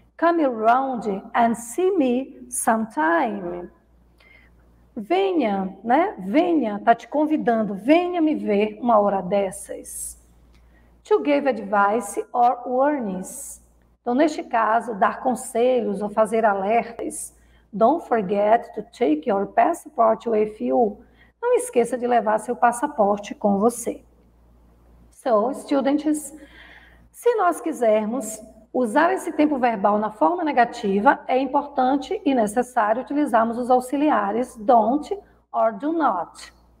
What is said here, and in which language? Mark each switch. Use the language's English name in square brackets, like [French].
[English] Come around and see me sometime. [Portuguese] Venha, né? Venha, tá te convidando. Venha me ver uma hora dessas. [English] To give advice or warnings. [Portuguese] Então, neste caso, dar conselhos ou fazer alertas. [English] Don't forget to take your passport with you. [Portuguese] Não esqueça de levar seu passaporte com você. [English] So, students, [Portuguese] se nós quisermos usar esse tempo verbal na forma negativa, é importante e necessário utilizarmos os auxiliares don't or do not.